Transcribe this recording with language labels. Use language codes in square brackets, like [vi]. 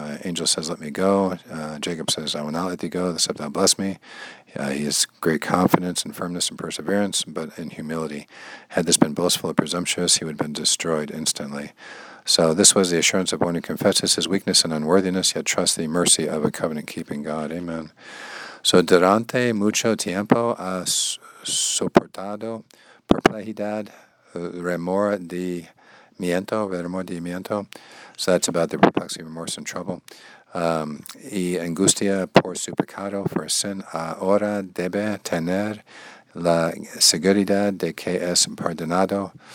[en] Angel says, let me go. Jacob says, I will not let thee go, except thou bless me. He has great confidence and firmness and perseverance, but in humility. Had this been boastful or presumptuous, he would have been destroyed instantly. So this was the assurance of one who confesses his weakness and unworthiness, yet trusts the mercy of a covenant-keeping God. Amen. [es] So durante mucho tiempo ha soportado perplejidad, remordimiento. [en] So that's about the perplexity, remorse, and trouble. [es] Y angustia por su pecado, [en] for sin, [es] ahora debe tener la seguridad de que es perdonado.